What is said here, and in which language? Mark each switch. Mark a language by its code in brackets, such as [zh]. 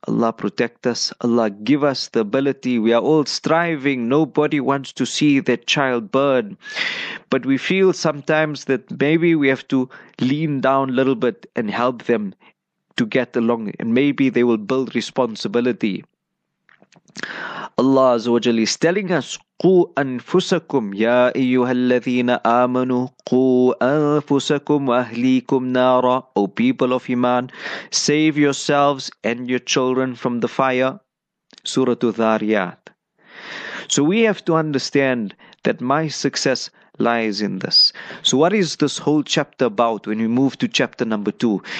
[en] Allah protect us. Allah give us the ability. We are all striving. Nobody wants to see that child burn. But we feel sometimes that maybe we have to lean down a little bit and help them to get along. And maybe they will build responsibility. [ar] Allah Azza wa Jalla [en] is telling us, [ar] قُوْ أَنفُسَكُمْ يَا أَيُّهَا الَّذِينَ آمَنُوا قُوْ أَنفُسَكُمْ وَأَهْلِيكُمْ نَارًا. [en] O people of Iman, save yourselves and your children from the fire. Surah Dhariyat. So we have to understand that my success lies in this. So what is this whole chapter about when we move to chapter number 2?